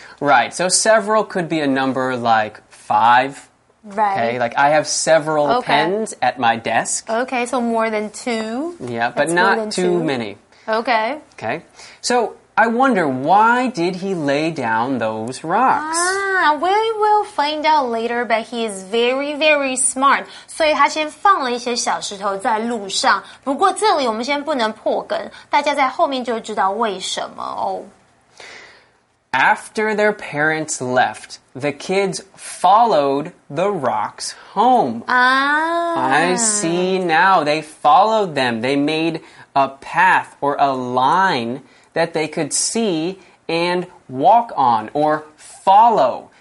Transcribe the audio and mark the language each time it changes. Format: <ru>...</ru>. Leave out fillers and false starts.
<en>Right, so several could be a number like five. Right. Okay, like I have several pens at my desk. Okay, so more than two. Yeah, but not too many. Okay. Okay, so... I wonder, why did he lay down those rocks? We will find out later, but he is very, very smart.</en> <zh>所以他先放了一些小石头在路上。不过这里我们先不能破梗，大家在后面就知道为什么哦。</zh> <en>After their parents left, the kids followed the rocks home. I see now. They followed them. They made a path or a line... that they could see and walk on, or follow.</en>